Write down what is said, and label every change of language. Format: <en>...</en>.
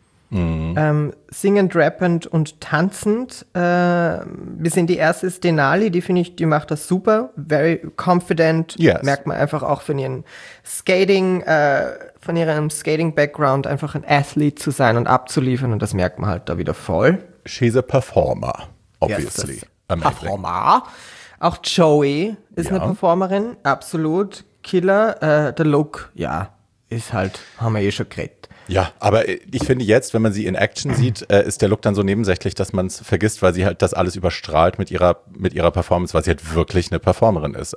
<de>Singend, rappend und tanzend. Wir sehen die erste ist Denali, die macht das super,</de> <en>very confident. Yes.</en> <de>Merkt man einfach auch von ihren Skating-Background einfach ein Athlete zu sein und abzuliefern und das merkt man halt da wieder voll.</de> <en>She's a performer, obviously. Yes, performer.</en> <de>Auch Joey ist eine Performerin, absolut. Killer. Der Look, ist halt, haben wir eh schon geredet. Ja, aber ich finde jetzt, wenn man sie in Action sieht, ist der Look dann so nebensächlich, dass man es vergisst, weil sie halt das alles überstrahlt mit ihrer Performance, weil sie halt wirklich eine Performerin ist.</de>